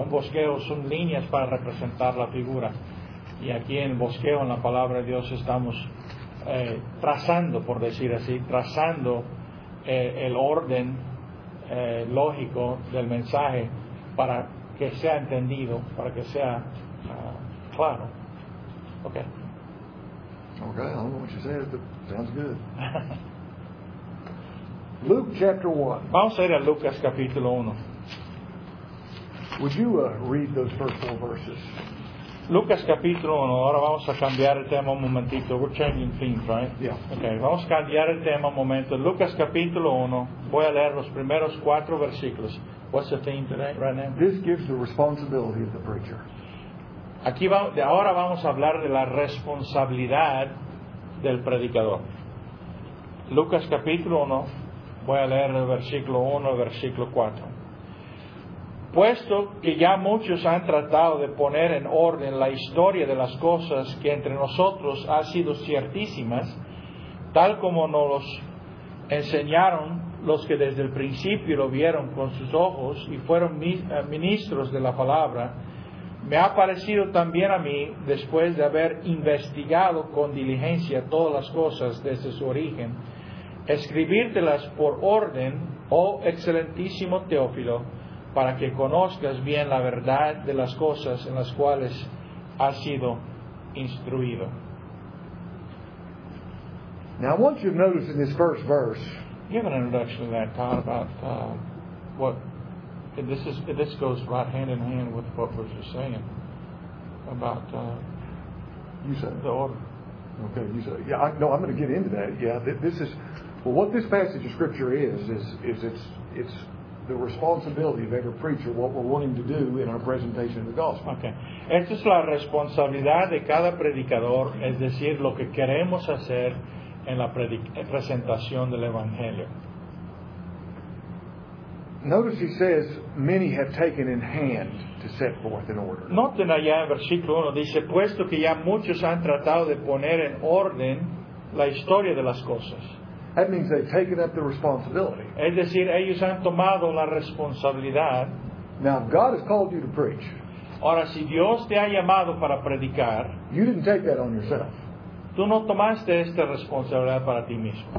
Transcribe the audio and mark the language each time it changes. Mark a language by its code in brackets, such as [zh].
[es] Un bosquejo son líneas para representar la figura. Y aquí en bosqueo, en la palabra de Dios, estamos trazando, por decir así, trazando el orden lógico del mensaje para que sea entendido, para que sea claro. [en] Okay. Okay, I don't know what you said, but sounds good. Luke chapter 1. [es] Vamos a ir a Lucas capítulo 1. [en] Would you read those first four verses? [es] Lucas capítulo 1, ahora vamos a cambiar el tema un momentito. [en] We're changing things, right? Yeah. [es] Okay, vamos a cambiar el tema un momento. Lucas capítulo 1, voy a leer los primeros cuatro versículos. [en] What's the theme today, right now? This gives the responsibility of the preacher. [es] Aquí ahora vamos a hablar de la responsabilidad del predicador. Lucas capítulo 1, voy a leer el versículo 1, versículo 4. Puesto que ya muchos han tratado de poner en orden la historia de las cosas que entre nosotros han sido ciertísimas, tal como nos los enseñaron los que desde el principio lo vieron con sus ojos y fueron ministros de la palabra, me ha parecido también a mí, después de haber investigado con diligencia todas las cosas desde su origen, escribírtelas por orden, oh excelentísimo Teófilo, para que conozcas bien la verdad de las cosas en las cuales has sido instruido. [en] Now, I want you to notice in this first verse. Give an introduction to that, Todd, about what. This goes right hand in hand with what we're just saying about. You said the order. Okay, you said. Yeah, no, I'm going to get into that. Yeah, this is. Well, what this passage of Scripture is it's. The responsibility of every preacher, what we're wanting to do in our presentation of the gospel. Okay. [es] Esta es la responsabilidad de cada predicador, es decir, lo que queremos hacer en la presentación del evangelio. [en] Notice he says, many have taken in hand to set forth in order. [es] Noten allá en versículo 1, dice, puesto que ya muchos han tratado de poner en orden la historia de las cosas. [en] That means they've taken up the responsibility. [es] Es decir, ellos han tomado la responsabilidad. [en] Now, if God has called you to preach, [es] ahora, si Dios te ha llamado para predicar, [en] you didn't take that on yourself. [es] Tú no tomaste esta responsabilidad para ti mismo.